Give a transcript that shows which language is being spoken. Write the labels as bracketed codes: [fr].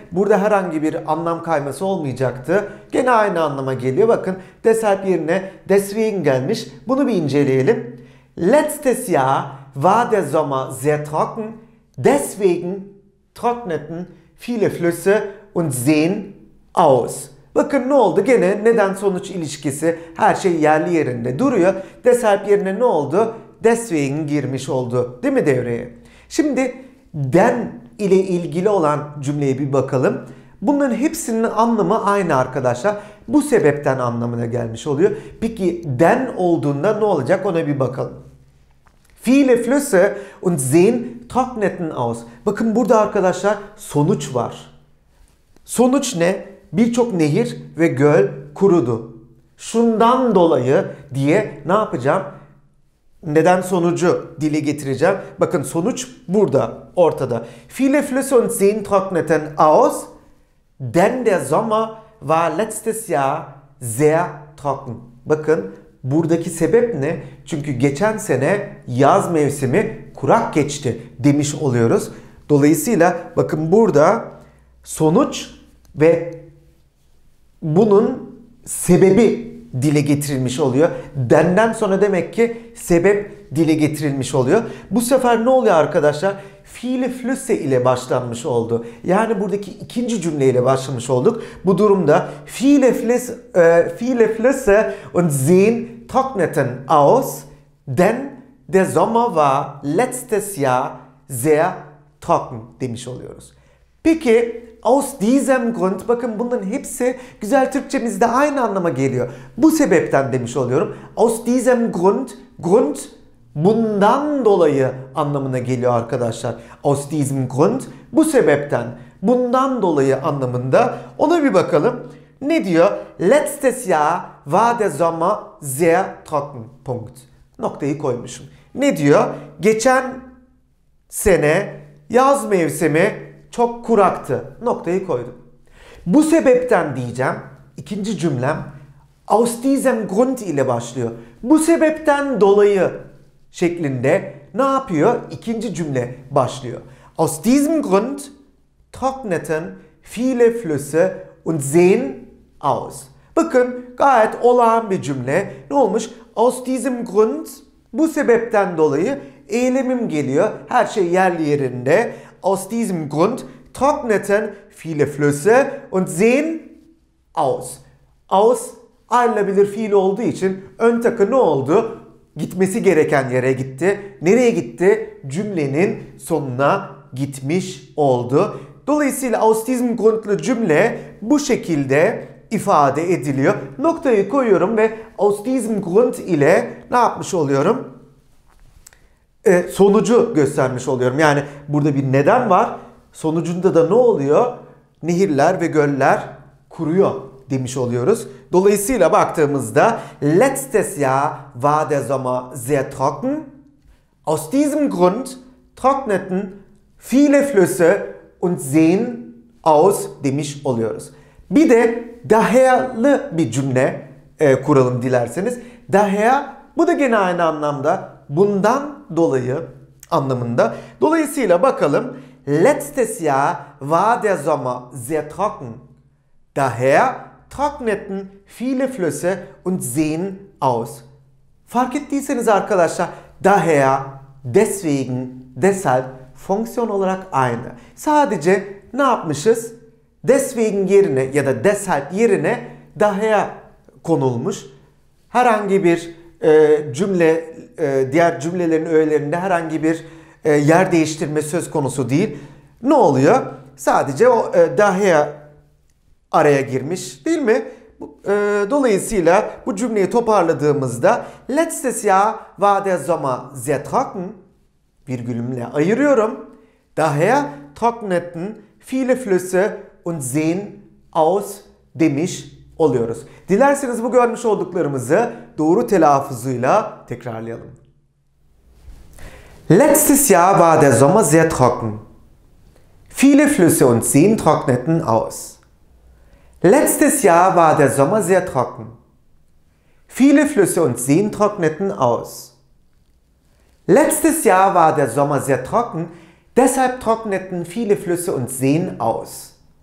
[tr] Burada herhangi bir anlam kayması olmayacaktı. Gene aynı anlama geliyor. Bakın, deshalb yerine deswegen gelmiş. Bunu bir inceleyelim. [de] Letztes Jahr war der Sommer sehr trocken, deswegen trockneten viele Flüsse und Seen aus. [tr] Bakın ne oldu? Gene neden sonuç ilişkisi, her şey yerli yerinde duruyor. Deshalb yerine ne oldu? Deswegen girmiş oldu. Değil mi devreye? Şimdi den ile ilgili olan cümleye bir bakalım. Bunların hepsinin anlamı aynı arkadaşlar. Bu sebepten anlamına gelmiş oluyor. Peki den olduğunda ne olacak? Ona bir bakalım. [de] Viele Flüsse und Seen trockneten aus. [tr] Bakın burada arkadaşlar sonuç var. Sonuç ne? Birçok nehir ve göl kurudu. Şundan dolayı diye ne yapacağım? Neden sonucu dile getireceğim. Bakın sonuç burada ortada. [de] Viele Flüsse und Seen trockneten aus. Denn der Sommer war letztes Jahr sehr trocken. [tr] Bakın buradaki sebep ne? Çünkü geçen sene yaz mevsimi kurak geçti demiş oluyoruz. Dolayısıyla bakın burada sonuç ve bunun sebebi dile getirilmiş oluyor. Denden sonra demek ki sebep dile getirilmiş oluyor. Bu sefer ne oluyor arkadaşlar? [de] Viele Flüsse [tr] ile başlanmış oldu. Yani buradaki ikinci cümleyle başlamış olduk. Bu durumda [de] viele Flüsse und Seen trockneten aus, denn der Sommer war letztes Jahr sehr trocken [tr] demiş oluyoruz. Peki [de] aus diesem Grund, [tr] bakın bunların hepsi güzel Türkçemizde aynı anlama geliyor. Bu sebepten demiş oluyorum. [de] Aus diesem Grund, Grund [tr] bundan dolayı anlamına geliyor arkadaşlar. [de] Aus diesem Grund, [tr] bu sebepten, bundan dolayı anlamında. Ona bir bakalım. Ne diyor? [de] Letztes Jahr war der Sommer sehr trocken. [tr] Punkt. Noktayı koymuşum. Ne diyor? Geçen sene yaz mevsimi çok kuraktı. Noktayı koydum. Bu sebepten diyeceğim. İkinci cümlem [de] aus diesem Grund [tr] ile başlıyor. Bu sebepten dolayı şeklinde ne yapıyor? İkinci cümle başlıyor. [de] Aus diesem Grund trockneten viele Flüsse und Seen aus. [tr] Bakın gayet olağan bir cümle. Ne olmuş? [de] Aus diesem Grund, [tr] bu sebepten dolayı eylemim geliyor. Her şey yerli yerinde. [de] Aus diesem Grund trockneten viele Flüsse und Seen aus. [tr] Aus ayrılabilir fiil olduğu için ön takı ne oldu? Gitmesi gereken yere gitti. Nereye gitti? Cümlenin sonuna gitmiş oldu. Dolayısıyla [de] aus diesem Grund'lu [tr] cümle bu şekilde ifade ediliyor. Noktayı koyuyorum ve [de] aus diesem Grund [tr] ile ne yapmış oluyorum? Sonucu göstermiş oluyorum. Yani burada bir neden var. Sonucunda da ne oluyor? Nehirler ve göller kuruyor demiş oluyoruz. Dolayısıyla baktığımızda [de] letztes Jahr war der Sommer sehr trocken. Aus diesem Grund trockneten viele Flüsse und Seen aus [tr] demiş oluyoruz. Bir de daher'lı bir cümle kuralım dilerseniz. Daher bu da gene aynı anlamda. Bundan dolayı anlamında. Dolayısıyla bakalım. [de] Letztes Jahr war der Sommer sehr trocken. Daher trockneten viele Flüsse und Seen aus. [tr] Fark ettiyseniz arkadaşlar daher, deswegen, deshalb fonksiyon olarak aynı. Sadece ne yapmışız? Deswegen yerine ya da deshalb yerine daher konulmuş. Herhangi bir cümle, diğer cümlelerin öğelerinde herhangi bir yer değiştirme söz konusu değil. Ne oluyor? Sadece o daher araya girmiş değil mi? Dolayısıyla bu cümleyi toparladığımızda [de] Letztes Jahr war der Sommer sehr trocken. [tr] Virgülümle ayırıyorum. [de] Daher trockneten viele Flüsse und Seen aus [tr] demiş oluyoruz. Dilerseniz bu görmüş olduklarımızı doğru telaffuzuyla tekrarlayalım. [de] Letztes Jahr war der Sommer sehr trocken. Viele Flüsse und Seen trockneten aus. Letztes Jahr war der Sommer sehr trocken. Viele Flüsse und Seen trockneten aus. Letztes Jahr war der Sommer sehr trocken, deshalb trockneten viele Flüsse und Seen aus.